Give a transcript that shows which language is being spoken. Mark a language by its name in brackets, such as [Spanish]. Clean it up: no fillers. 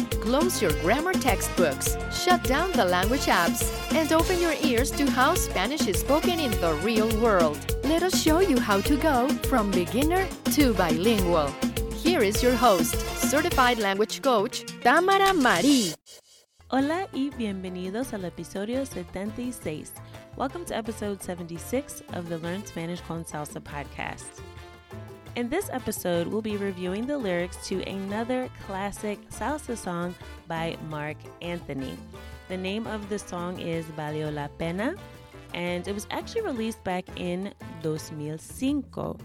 [English] Close your grammar textbooks, shut down the language apps, and open your ears to how Spanish is spoken in the real world. Let us show you how to go from beginner to bilingual. Here is your host, certified language coach, Tamara Marie. [Spanish] Hola y bienvenidos al episodio 76. [English] Welcome to episode 76 of the Learn Spanish con Salsa podcast. In this episode, we'll be reviewing the lyrics to another classic salsa song by Marc Anthony. The name of the song is Valió la Pena, and it was actually released back in 2005.